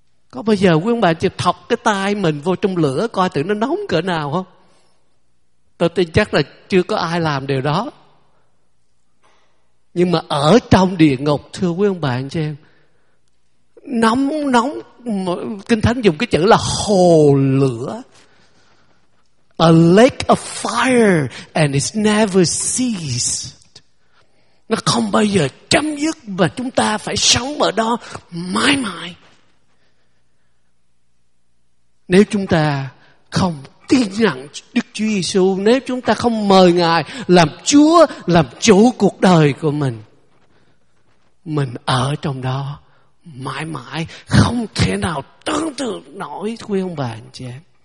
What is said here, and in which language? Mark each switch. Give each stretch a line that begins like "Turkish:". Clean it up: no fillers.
Vietnamese: Có bao giờ quý ông bà chị thọc cái tay mình vô trong lửa coi thử nó nóng cỡ nào không? Tôi tin chắc là chưa có ai làm điều đó. Nhưng mà ở trong địa ngục, thưa quý ông bà anh chị em, nóng, nóng, Kinh Thánh dùng cái chữ là hồ lửa.
English: A lake of fire and it's never ceased.
Vietnamese: Nó không bao giờ chấm dứt và chúng ta phải sống ở đó mãi mãi. Nếu chúng ta không tin nhận Đức Chúa Giêsu, nếu chúng ta không mời Ngài làm Chúa, làm chủ cuộc đời của mình, mình ở trong đó mãi mãi, không thể nào tưởng tượng nổi, quý ông bà anh chị em.